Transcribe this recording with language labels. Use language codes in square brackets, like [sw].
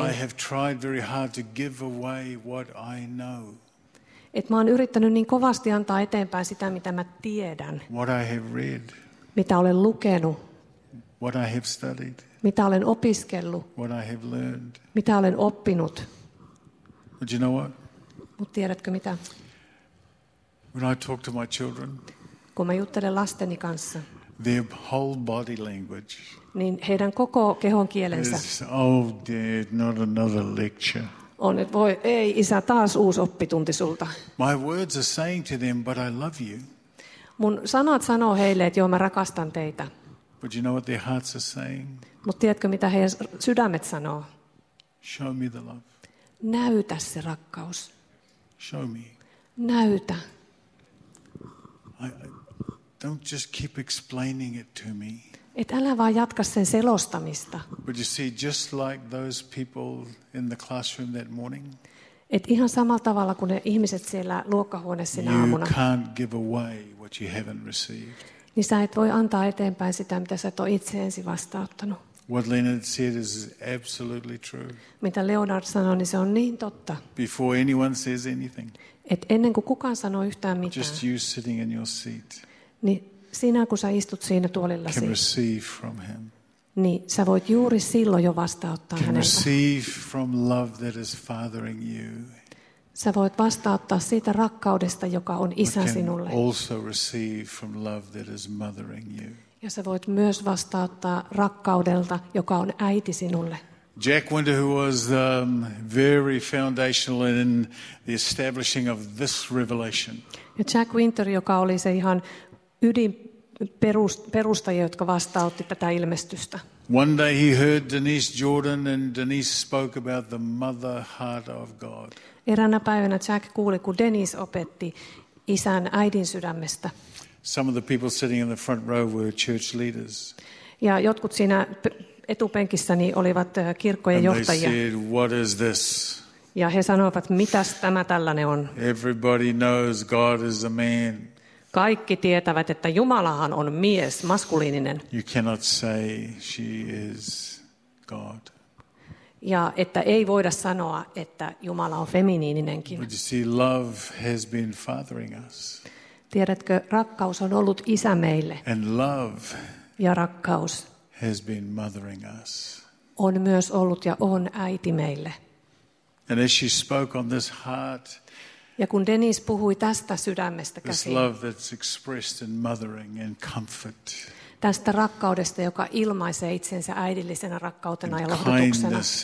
[en] I have tried very hard to give away what I know. [fi] Et mä oon yrittänyt niin kovasti antaa eteenpäin sitä, mitä mä tiedän. [en] What I have read. [fi] Mitä olen lukenut. [en] What I have studied. [fi] Mitä olen opiskellut. [en] What I have learned. [fi] Mitä olen oppinut. [en] But you know what? [fi] Mut tiedätkö mitä? [en] When I talk to my children, [fi] kun mä juttelen lasteni kanssa, [en] their whole body language, [fi] niin heidän koko kehon kielensä, [en] is, "Oh dad, not another lecture." [fi] On, että voi ei isä, taas uusi oppitunti sulta. [en] My words are saying to them, "But I love you." [fi] Mun sanat sanoo heille, että joo, mä rakastan teitä. [en] But you know what their hearts are saying? [fi] Mut tiedätkö mitä heidän sydämet sanoo? [en] Show me the love. [fi] Näytä se rakkaus. [en] Show me. [fi] Näytä. [en] Don't just keep explaining it to me. [fi] Et älä vaan jatka sen selostamista. [en] But you see, just like those people in the classroom that morning. [fi] Et ihan samalla tavalla kuin ne ihmiset siellä luokkahuoneessa sinä aamuna. [en] You can't give away what you haven't received. [fi] Niin sä et voi antaa eteenpäin sitä, mitä sä et ole itse ensin vastaanottanut. [en] What Leonard said is absolutely true. [fi] Mitä Leonard sanoi, niin se on niin totta. [en] Before anyone says anything. [fi] Et ennen kuin kukaan sanoo yhtään mitään. [en] Just you sitting in your seat. [fi] Niin sinä, kun sä istut siinä tuolillasi. [en] Can receive from him. [fi] Niin sä voit juuri silloin jo vastaanottaa häneltä. [en] Can receive from love that is fathering you. [fi] Sä voit vastaanottaa siitä rakkaudesta, joka on isä sinulle. [en] Can also receive from love that is mothering you. [fi] Ja sä voit myös vastaanottaa rakkaudelta, joka on äiti sinulle. [en] Jack Winter, who was very foundational in the establishing of this revelation. [fi] Ja Jack Winter, joka oli se ihan ydinperustaja, jotka vastaanotti tätä ilmestystä. [en] One day he heard Denise Jordan and Denise spoke about the mother heart of God. [fi] Eräänä päivänä Jack kuuli, kun Denise opetti isän äidin sydämestä. [en] Some of the people sitting in the front row were church leaders. [fi] Ja jotkut siinä etupenkissä niin olivat kirkkojen johtajia. [en] And they said, "What is this?" [fi] Ja he sanoivat, mitäs tämä tällainen on? [en] Everybody knows God is a man. [fi] Kaikki tietävät, että Jumalahan on mies, maskuliininen. [en] You cannot say she is God. [fi] Ja että ei voida sanoa, että Jumala on feminiininenkin. [en] But you see, love has been fathering us. [fi] Tiedätkö, rakkaus on ollut isä meille. [en] And love. [fi] Ja rakkaus [en] has been mothering us. [fi] On myös ollut ja on äiti meille. [en] And as she spoke on this heart. [fi] Ja kun Denise puhui tästä sydämestä käsin. [en] This love that's expressed in mothering and comfort. [fi] Tästä rakkaudesta, joka ilmaisee itsensä äidillisenä rakkautena ja lohdutuksena.